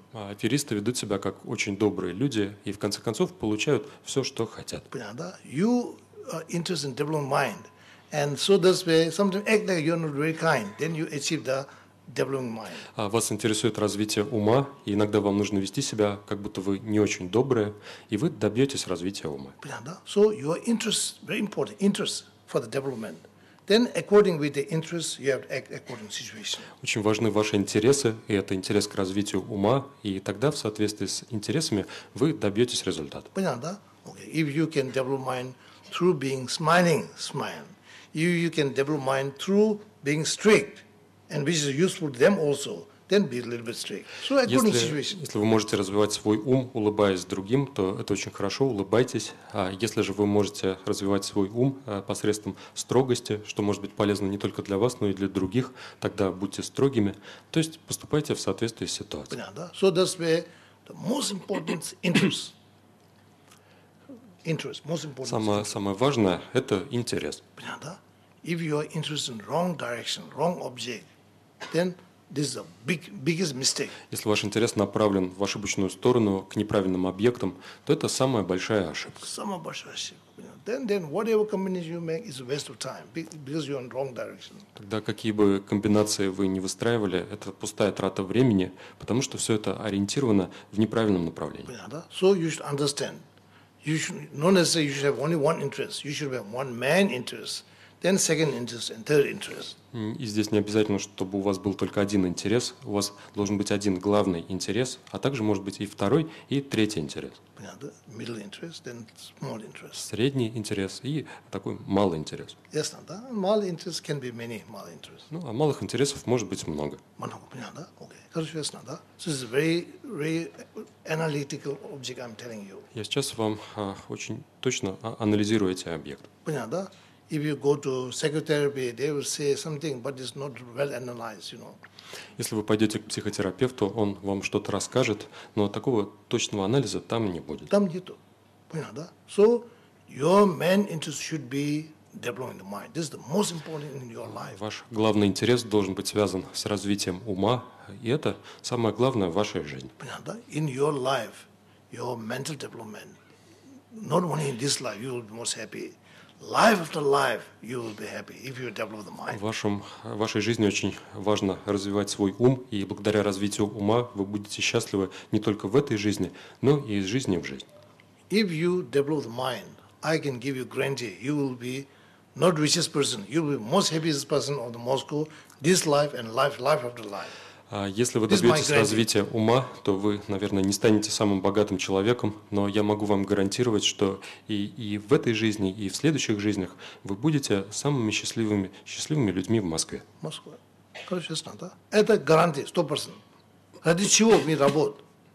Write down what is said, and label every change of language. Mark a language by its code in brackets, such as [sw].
[ru] Аферисты ведут себя как очень добрые люди и в конце концов получают все, что хотят. Понятно, да? [en] You are interested in developing mind, and so does way sometimes act like you're not very kind, then you achieve the developing mind. [ru] Вас интересует развитие ума, и иногда вам нужно вести себя, как будто вы не очень добрые, и вы добьетесь развития ума. Понятно, да? [en] So your interest very important, interest for the development. Then, according with the interest, you have to act according to situation. [ru] Очень важны ваши интересы, и это интерес к развитию ума, и тогда в соответствии с интересами вы добьетесь результата. Понятно, да? Okay. [en] If you can develop mind through being smiling, smile. If you can develop mind through being strict, and which is useful to them also. Then be a little bit strict. So according to situation. [ru] Если вы можете развивать свой ум, улыбаясь другим, то это очень хорошо, улыбайтесь. А если же вы можете развивать свой ум посредством строгости, что может быть полезно не только для вас, но и для других, тогда будьте строгими. То есть поступайте в соответствии с ситуацией. Понятно, да? [en] So that's where the most important interest. Interest, most important. [ru] Самое важное – это интерес. Понятно, да? [en] If you are interested in wrong direction, wrong object, then this is the biggest mistake. [ru] Если ваш интерес направлен в ошибочную сторону к неправильным объектам, то это самая большая ошибка. Самая большая ошибка. [en] Then whatever combination you make is a waste of time because you're in wrong direction. [ru] Тогда какие бы комбинации вы ни выстраивали, это пустая трата времени, потому что все это ориентировано в неправильном направлении. Понятно? [en] So you should understand. You should not necessarily you should have only one interest. You should have one main interest. Then second interest and third interest. [ru] И здесь не обязательно, чтобы у вас был только один интерес. У вас должен быть один главный интерес, а также может быть и второй, и третий интерес. Понятно? [en] Middle interest, then small interest. [ru] Средний интерес и такой малый интерес. Ясно, да? Малый интерес [en] can be many small interests. [ru] Ну, а малых интересов может быть много. Много, понятно, да? Окей. Короче, ясно, да? [en] This is a very, very analytical object I'm telling you. [ru] Я сейчас вам очень точно анализирую эти объекты. Понятно, да? [en] If you go to psychotherapy, they will say something, but it's not well analyzed, you know. [ru] Если вы пойдете к психотерапевту, он вам что-то расскажет, но такого точного анализа там не будет. Там нету. Понятно, да? [en] So your main interest should be developing the mind. This is the most important in your life. [ru] Ваш главный интерес должен быть связан с развитием ума, и это самое главное в вашей жизни. Понятно, да? [en] In your life, your mental development, not only in this life, you will be most happy. Life after life, you will be happy if you develop the mind. [ru] В вашей жизни очень важно развивать свой ум, и благодаря развитию ума вы будете счастливы не только в этой жизни, но и из жизни в жизнь. [en] If you develop the mind, I can give you guarantee you will be not richest person, you will be most happiest person of the Moscow this life and life after life. [ru] Если вы добьетесь развития ума, то вы, наверное, не станете самым богатым человеком, но я могу вам гарантировать, что и в этой жизни, и в следующих жизнях вы будете самыми счастливыми людьми в Москве. Москва. Короче, ясно, да? Это гарантия, 100%. Ради чего мы работаем?